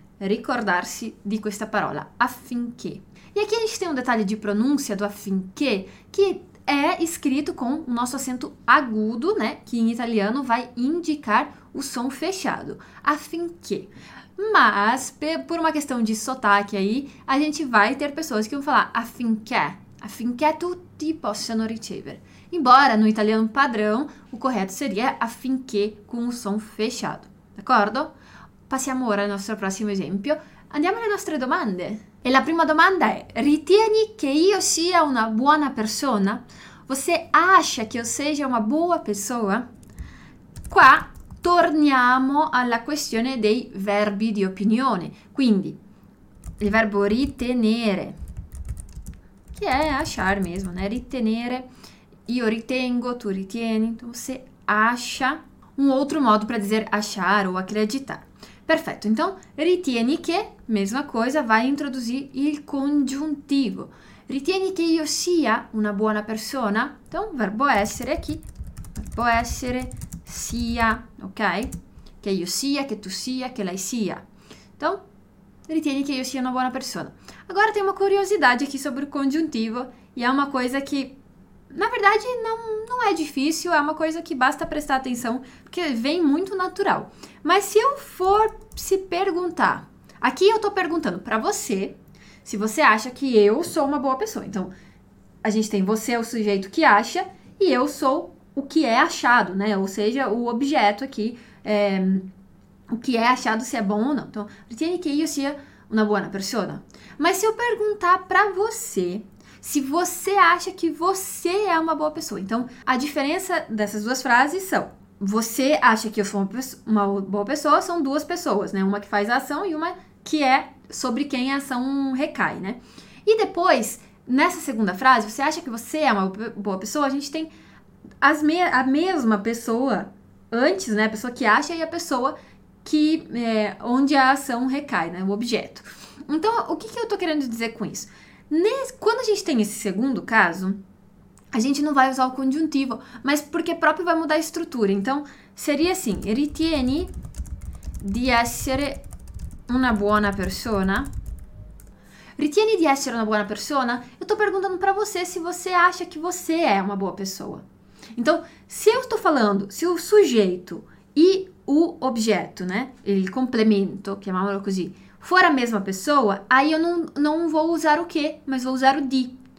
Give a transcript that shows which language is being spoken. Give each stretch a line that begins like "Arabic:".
Italian: Ricordarsi di questa parola, affinché.
Portuguese: E aqui a gente tem um detalhe de pronúncia do affinché que é escrito com o nosso acento agudo, né? Que em italiano vai indicar o som fechado, affinché. Mas, por uma questão de sotaque aí, a gente vai ter pessoas que vão falar
Italian: affinché tutti possano ricevere.
Portuguese: Embora no italiano padrão, o correto seria affinché com o som fechado.
Italian: D'accordo? Passiamo ora al nostro prossimo esempio. Andiamo alle nostre domande. E la prima domanda è: ritieni che io sia una buona persona?
Portuguese: Você acha
Italian: che io sia una buona persona? Qua torniamo alla questione dei verbi di opinione. Quindi, il verbo ritenere, che è
Portuguese: achar mesmo, né?
Italian: Ritenere, io ritengo, tu ritieni, tu
Portuguese: se acha,
Italian: un altro modo per dire achar o accreditar. Perfetto, então, ritieni che, mesma cosa, vai introdurre il congiuntivo. Ritieni che io sia una buona persona? Então, verbo essere qui, verbo essere. Sia, ok? Che io sia, che tu sia, che lei sia. Então, ritieni che io sia una buona persona.
Portuguese: Agora tem uma curiosidade aqui sobre o congiuntivo e é uma coisa que, na verdade, não é difícil, é uma coisa que basta prestar atenção, porque vem muito natural. Mas se eu for se perguntar, aqui eu estou perguntando para você se você acha que eu sou uma boa pessoa. Então, a gente tem você, o sujeito que acha, e eu sou o que é achado, né? Ou seja, o objeto aqui, o que é achado se é bom ou não. Então, ritieni che io sia una buona persona? Mas se eu perguntar para você, se você acha que você é uma boa pessoa. Então, a diferença dessas duas frases são: você acha que eu sou uma boa pessoa, são duas pessoas, né? Uma que faz a ação e uma que é sobre quem a ação recai, né? E depois, nessa segunda frase, você acha que você é uma boa pessoa? A gente tem a mesma pessoa antes, né? A pessoa que acha e a pessoa que onde a ação recai, né? O objeto. Então, o que que eu estou querendo dizer com isso? Quando a gente tem esse segundo caso, a gente não vai usar o conjuntivo, mas porque próprio vai mudar a estrutura. Então, seria assim:
Italian: ritieni di essere una buona persona? Ritieni di essere una buona persona?
Portuguese: Eu estou perguntando para você se você acha que você é uma boa pessoa. Então, se eu estou falando, se o sujeito e o objeto, né, o complemento, chamámoslo così, for a mesma pessoa, aí eu não vou usar o que, mas vou usar o di.